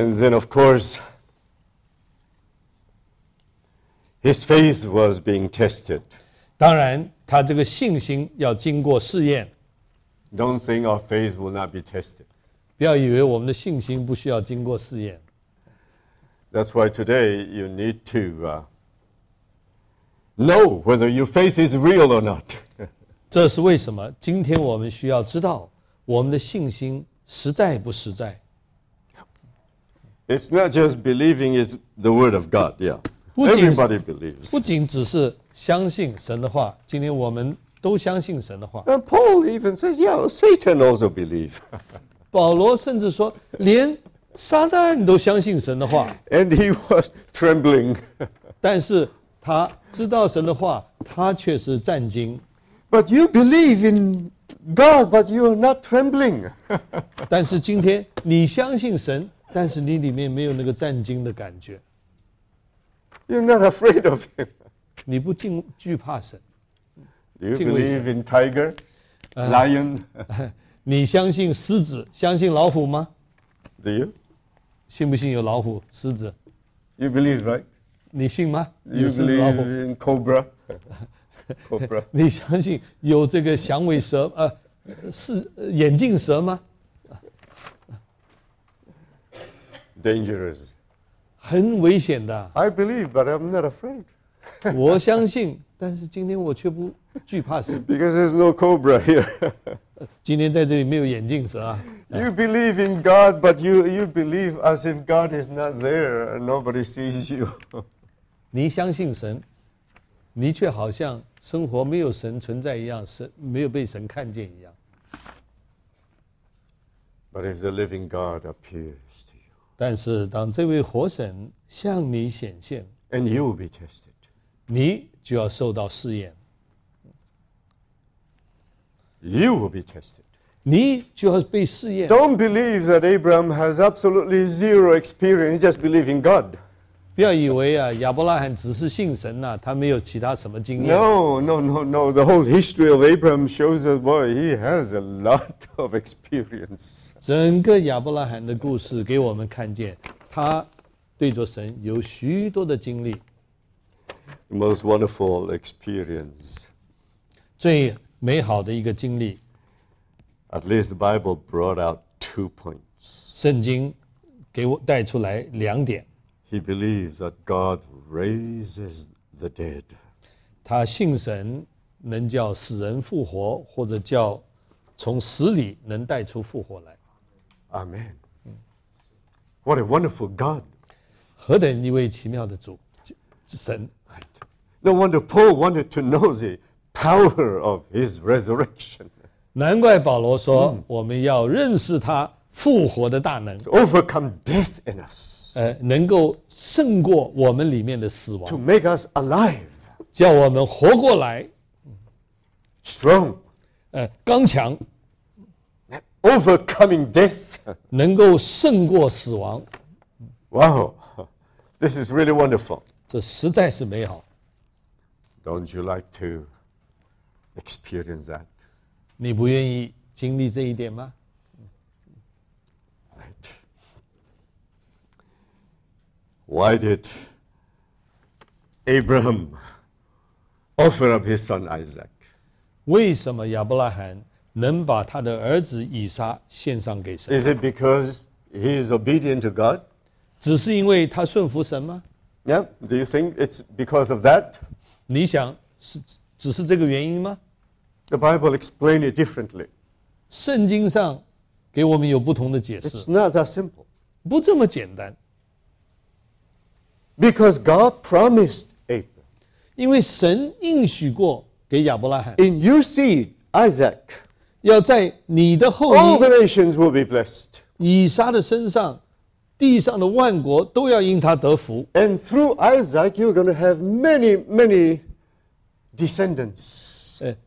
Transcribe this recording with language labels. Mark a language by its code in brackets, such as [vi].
[en] And then, of course, his faith was being tested. [zh] 当然，他这个信心要经过试验。 [en] Don't think our faith will not be tested. [zh] 不要以为我们的信心不需要经过试验。 [en] That's why today you need to, know whether your faith is real or not. [zh] 这是为什么今天我们需要知道我们的信心实在不实在。 [en] It's not just believing, it's the word of God, yeah. Everybody believes. [zh] 不仅只是相信神的话，今天我们都相信神的话。 [en] And Paul even says, yeah, Satan also believes. [zh] 保罗甚至说，连撒旦都相信神的话。 [en] And he was trembling. [zh] 但是他知道神的话，他却是战惊。 [en] But you believe in God, but you are not trembling. [zh] 但是今天你相信神，但是你里面没有那个战惊的感觉。 [en] You're not afraid of him. [zh] 你不敬惧怕神。 [en] Do you believe in tiger, lion? [zh] 你相信狮子，相信老虎吗 [en] ？Do you? [zh] 信不信有老虎、狮子 [en] ？You believe, right? [zh] 你信吗 [en] ？You believe in cobra? Cobra. [zh] 你相信有这个响尾蛇？是眼镜蛇吗 [en] ？Dangerous. [zh] 很危险的。 [en] I believe, but I'm not afraid. [zh] 我相信，但是今天我却不惧怕神。 [en] Because there's no cobra here. [zh] 今天在这里没有眼镜蛇啊。 [en] You believe in God, but you believe as if God is not there. Nobody sees you. [zh] 你相信神，你却好像生活没有神存在一样，没有被神看见一样。 [en] But if the living God appears to you, [zh] 但是当这位活神向你显现 [en] ，and you will be tested, [zh] 你就要受到试验。 [en] You will be tested. [zh] 你就要被试验。 [en] Don't believe that Abraham has absolutely zero experience. Just believe in God. [zh] 不要以为啊，亚伯拉罕只是信神呐、啊，他没有其他什么经验。 [en] No. The whole history of Abraham shows that boy, he has a lot of experience. [zh] 整个亚伯拉罕的故事给我们看见，他对着神有许多的经历。 [en] Most wonderful experience. [zh] 最美好的一个经历。 [en] At least the Bible brought out two points. [zh] 圣经给我带出来两点。 [en] He believes that God raises the dead. [zh] 他信神能叫死人复活，或者叫从死里能带出复活来。 [en] Amen. What a wonderful God. [zh] 何等一位奇妙的主神。 [en] Right. No wonder Paul wanted to know the power of his resurrection. [zh] 难怪保罗说我们要认识他复活的大能。 [en] To overcome death in us. [zh] 能够胜过我们里面的死亡。 [en] To make us alive. [zh] 叫我们活过来。 [en] Strong. [zh] 刚强。 [en] Overcoming death. [zh] 能够胜过死亡。 [en] Wow. This is really wonderful. [zh] 这实在是美好。 [en] Don't you like to experience that? [zh] 你不愿意经历这一点吗？ [en] Right. Why did Abraham offer up his son Isaac? [zh] 为什么亚伯拉罕能把他的儿子以撒献上给神？ [en] Is it because he is obedient to God? [zh] 只是因为他顺服神吗？ [en] Yeah. Do you think it's because of that? [zh] 你想是只是这个原因吗？ [en] The Bible explains it differently. [zh] 圣经上给我们有不同的解释。 [en] It's not that simple. [zh] 不这么简单。 [en] Because God promised Abraham. [zh] 因为神应许过给亚伯拉罕。 [en] In your seed, Isaac. [zh] 要在你的后裔。 [en] All the nations will be blessed. [zh] 以撒的身上，地上的万国都要因他得福。 [en] And through Isaac, you're going to have many, many descendants.